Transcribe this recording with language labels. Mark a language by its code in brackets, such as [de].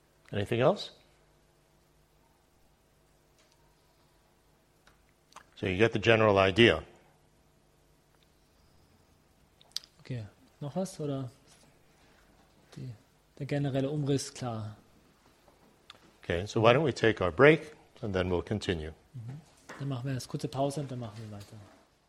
[en] Anything else? So you get the general idea. [de] Okay, noch was oder der generelle Umriss klar? [en] Okay, so why don't we take our break and then we'll continue. [de] Dann machen wir eine kurze Pause und dann machen wir weiter.